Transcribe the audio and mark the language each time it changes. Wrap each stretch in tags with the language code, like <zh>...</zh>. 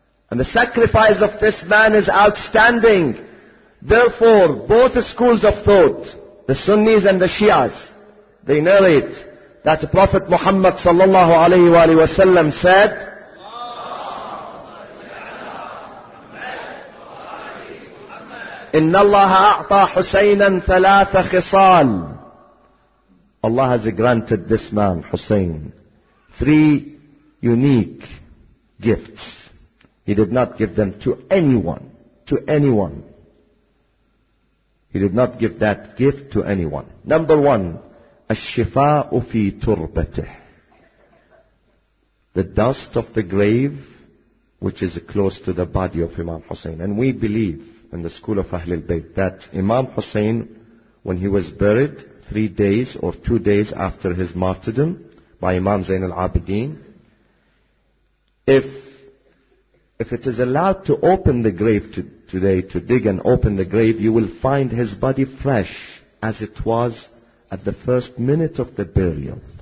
<en>And the sacrifice of this man is outstanding. Therefore, both schools of thought, the Sunnis and the Shias, they narrate that the Prophet Muhammad sallallahu alayhi wa sallam said,</en> <ar>إِنَّ اللَّهَ أَعْطَى حُسَيْنًا ثَلَاثَ خِصَالٍ.</ar> <en>Allah has granted this man, Hussein, three unique gifts. He did not give them to anyone, to anyone. He did not give that gift to anyone. Number one,</en> <ar>الشِّفَاءُ فِي تُرْبَتِهِ.</ar> <en>The dust of the grave, which is close to the body of Imam Hussein. And we believe, in the school of Ahlul Bayt, that Imam Hussein, when he was buried 3 days or 2 days after his martyrdom by Imam Zain al-Abidin, if it is allowed to open the grave today, to dig and open the grave, you will find his body fresh as it was at the first minute of the burial.</en>